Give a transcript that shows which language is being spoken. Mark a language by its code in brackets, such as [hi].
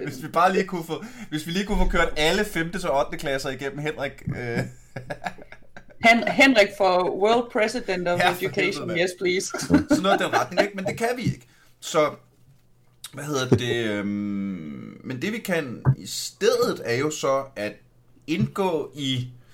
[da] Hvis vi bare lige kunne få, kørt alle 5. til 8. klasser igennem Henrik. [en] Henrik for World President of Education, yes please. [da] Sådan noget er den retning, ikke? Men det kan vi ikke. Så, hvad hedder det? Men det vi kan i stedet er jo så at indgå i...